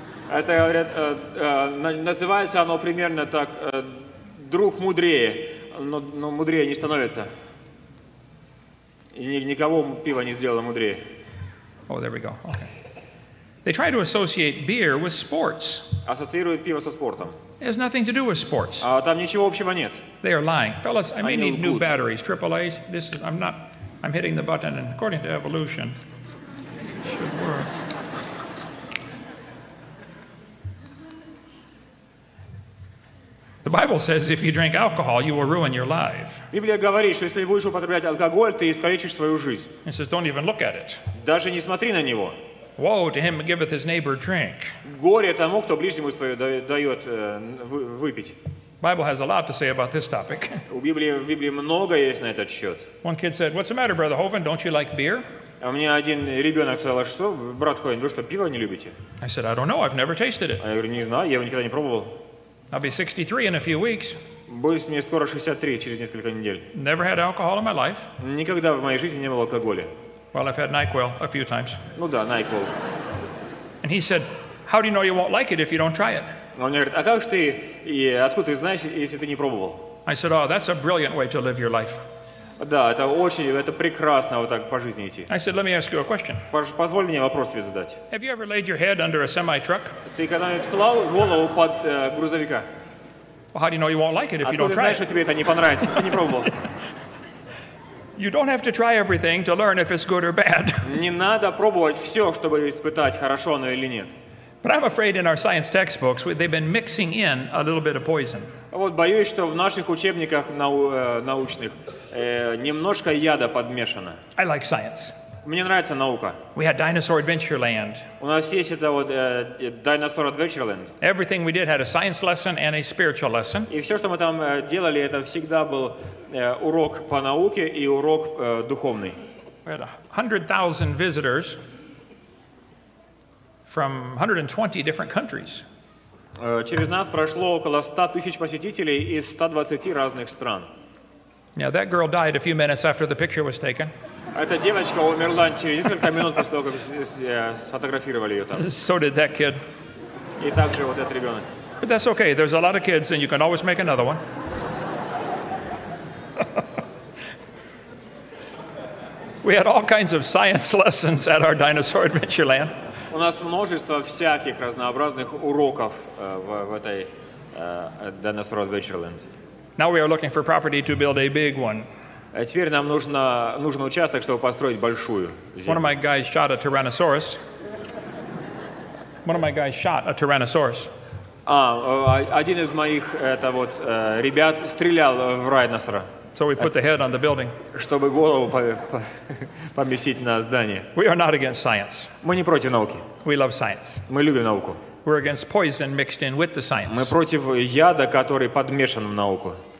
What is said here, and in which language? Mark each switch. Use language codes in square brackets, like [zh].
[ru] Это называется оно примерно так, друг мудрее, но мудрее не становится. И никого пиво не сделало мудрее. [en] Oh, there we go. Okay. They try to associate beer with sports. [ru] Ассоциируют пиво со спортом. [en] It has nothing to do with sports. [ru] А там ничего общего нет. [en] They are lying. Fellas, I may need new batteries. Triple A's. This is, I'm not, I'm hitting the button, and according to evolution, it should work. The Bible says if you drink alcohol, you will ruin your life. [ru] Библия говорит, что если будешь употреблять алкоголь, ты искалечишь свою жизнь. [en] It says, don't even look at it. [ru] Даже не смотри на него. [en] Woe to him who giveth his neighbor drink. [ru] Горе тому, кто ближнему своему дает выпить. [en] Bible has a lot to say about this topic. [ru] У Библии в Библии много есть на этот счет. [en] One kid said, what's the matter, brother Hovind? Don't you like beer? [ru] А мне один ребенок сказал, что, брат Ховен, вы что, пиво не любите? [en] I said, I don't know. I've never tasted it. [ru] А я говорю, не знаю, я его никогда не пробовал. [en] I'll be 63 in a few weeks. [ru] Будет мне скоро 63 через несколько недель. [en] Never had alcohol in my life. [ru] Никогда в моей жизни не было алкоголя. [en] Well, I've had NyQuil a few times. [ru] Ну да, NyQuil. [en] And he said, "How do you know you won't like it if you don't try it?" [ru] Он говорит, а как же ты и откуда ты знаешь, если ты не пробовал? [en] I said, "Oh, that's a brilliant way to live your life." [ru] Да, это очень, это прекрасно вот так по жизни идти. [en] I said, "Let me ask you a question." [ru] Позволь мне вопрос тебе задать. [en] Have you ever laid your head under a semi truck? [ru] Ты когда-нибудь клал голову под грузовика? [en] How do you know you won't like it if you don't try? [ru] А ты знаешь, что тебе это не понравится, если ты не пробовал? [en] You don't have to try everything to learn if it's good or bad. [ru] Не надо пробовать все, чтобы испытать, хорошо оно или нет. [en] But I'm afraid in our science textbooks they've been mixing in a little bit of poison. [ru] Вот боюсь, что в наших учебниках научных немножко яда подмешано. [en] I like science. [ru] Мне нравится наука. [en] We had Dinosaur Adventure Land. [ru] У нас есть это вот Dinosaur Adventure Land. [en] Everything we did had a science lesson and a spiritual lesson. [ru] И все, что мы там делали, это всегда был урок по науке и урок духовный. [en] We had 100,000 visitors from 120 different countries. [ru] Через нас прошло около 100,000 посетителей из 120 разных стран. [en] Now that girl died a few minutes after the picture was taken. [ru] Эта девочка умерла через несколько минут после того, как сфотографировали ее там. [en] So did that kid. [ru] И также вот этот ребенок. [en] But that's okay. There's a lot of kids, and you can always make another one. We had all kinds of science lessons at our Dinosaur Adventure Land. [ru] У нас множество всяких разнообразных уроков в этой Dinosaur Adventure Land. [en] Now we are looking for property to build a big one. [ru] Теперь нам нужен участок, чтобы построить большую. [en] One of my guys shot a Tyrannosaurus. One of my guys shot a Tyrannosaurus. [ru] А, один из моих это вот ребят стрелял в Райносора. [en] So we put the head on the building. [ru] Чтобы голову поместить на здание. [en] We are not against science. [ru] Мы не против науки. [en] We love science. [ru] Мы любим науку. [en] We're against poison mixed in with the science. [ru] Мы против яда, который подмешан в науку.